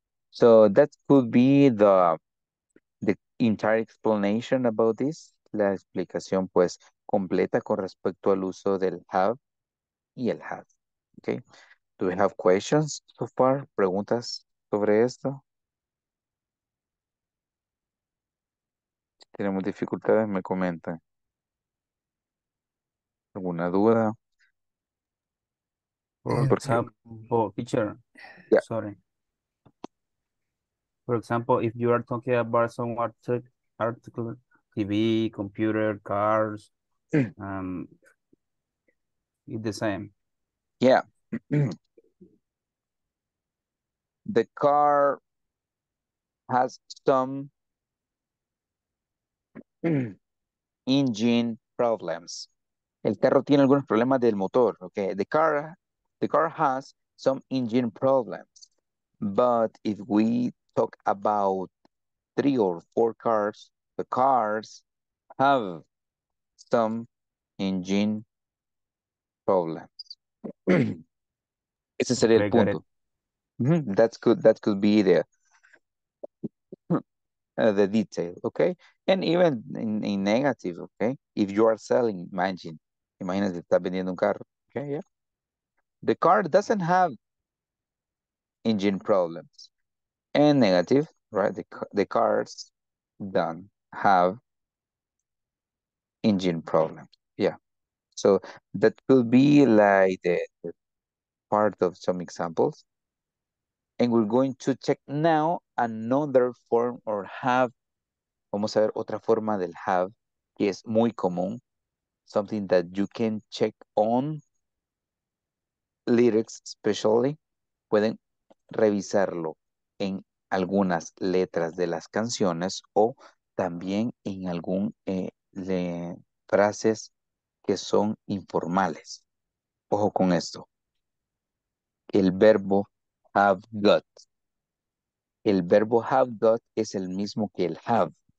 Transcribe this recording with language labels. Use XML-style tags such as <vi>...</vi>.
<en>So that could be the entire explanation about this.</en> <es>La explicación, pues, completa con respecto al uso del have y el has.</es> <en>Okay? Do we have questions so far?</en> <es>¿Preguntas sobre esto? Tenemos dificultades, me comentan. ¿Alguna duda?</es> <en>For example, teacher, yeah. Sorry. For example, if you are talking about some article, TV, computer, cars, it's the same. Yeah. The car has some engine problems.</en> <es>El carro tiene algunos problemas del motor, okay?</es> <en>The car has some engine problems. But if we talk about three or four cars. The cars have some engine problems.</en> <es>Ese sería el punto. Mm-hmm.</es> <en>That could be the detail, okay? And even in negative, okay? If you are selling, imagine</en> <es>si estás vendiendo un carro,</es> <en>okay? Yeah. The car doesn't have engine problems. And negative, right? The cars don't have engine problems. Yeah. So that could be like the part of some examples. And we're going to check now another form or have.</en> <es>Vamos a ver otra forma del have, que es muy común.</es> <en>Something that you can check on lyrics especially.</en> <es>Pueden revisarlo en algunas letras de las canciones o también en algún frases que son informales. Ojo con esto. El verbo have got. El verbo have got es el mismo que el have.</es>